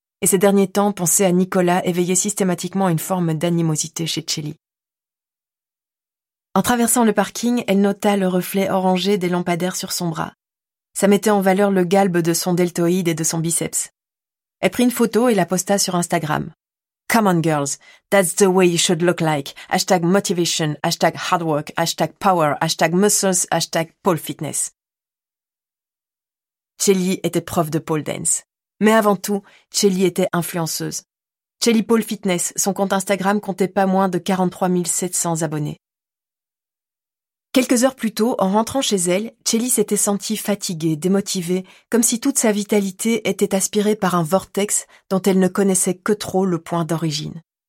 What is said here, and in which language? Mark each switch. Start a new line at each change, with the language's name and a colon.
French: Et ces derniers temps, penser à Nicolas éveillait systématiquement une forme d'animosité chez Chelly. En traversant le parking, elle nota le reflet orangé des lampadaires sur son bras. Ça mettait en valeur le galbe de son deltoïde et de son biceps. Elle prit une photo et la posta sur Instagram.
English: Come on girls, that's the way you should look like. Hashtag motivation, hashtag hard work, hashtag power, hashtag muscles, hashtag pole fitness.
French: Chelly était prof de pole dance. Mais avant tout, Chelly était influenceuse. Chelly pole fitness, son compte Instagram comptait pas moins de 43 700 abonnés. Quelques heures plus tôt, en rentrant chez elle, Chelly s'était sentie fatiguée, démotivée, comme si toute sa vitalité était aspirée par un vortex dont elle ne connaissait que trop le point d'origine.